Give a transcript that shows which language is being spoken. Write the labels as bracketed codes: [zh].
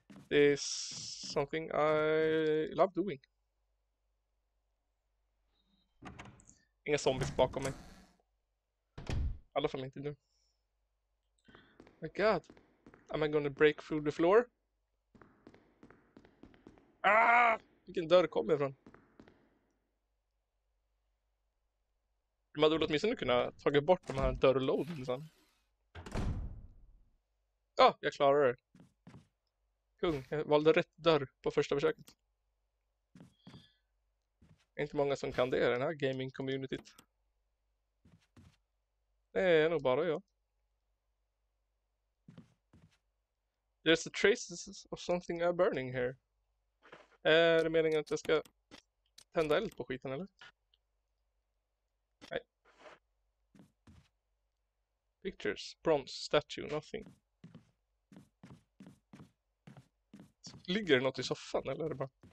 [en] It's something I love doing. [sv] Inga zombies bakom mig. I alla fall inte nu. [en] My god. Am I gonna break through the floor? Ah! [sv] Vilken dörr kommer jag från? De hade väl åtminstone kunnat tagit bort de här dörrlådorna sen. Ja, ah, jag klarar det. Kung, jag valde rätt dörr på första försöket. Inte många som kan det i den här gaming-communityt. Det är nog bara jag. [en] There's the traces of something are burning here. [sv] Är det meningen att jag ska tända eld på skiten, eller? Nej. [en] Pictures, bronze, statue, nothing. [sv] Ligger det något i soffan, eller är det bara...